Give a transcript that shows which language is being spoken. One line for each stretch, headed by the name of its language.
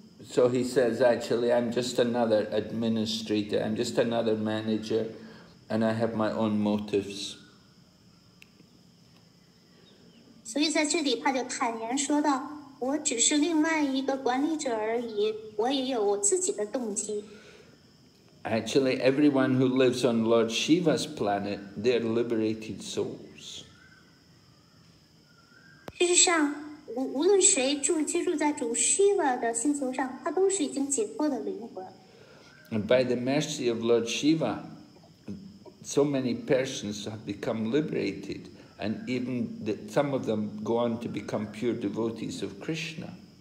English: so he says, actually, I'm just another administrator, I'm just another manager, and I have my own motives.
Chinese: 所以在这里他就坦言说道，我只是另外一个管理者而已，我也有我自己的动机。
English: Actually, everyone who lives on Lord Shiva's planet, they are liberated souls.
Chinese: 事实上,无论谁住在主Shiva的星球上,他都是已经解脱的灵魂。
English: And by the mercy of Lord Shiva, so many persons have become liberated, and even that some of them go on to become pure devotees of Krishna.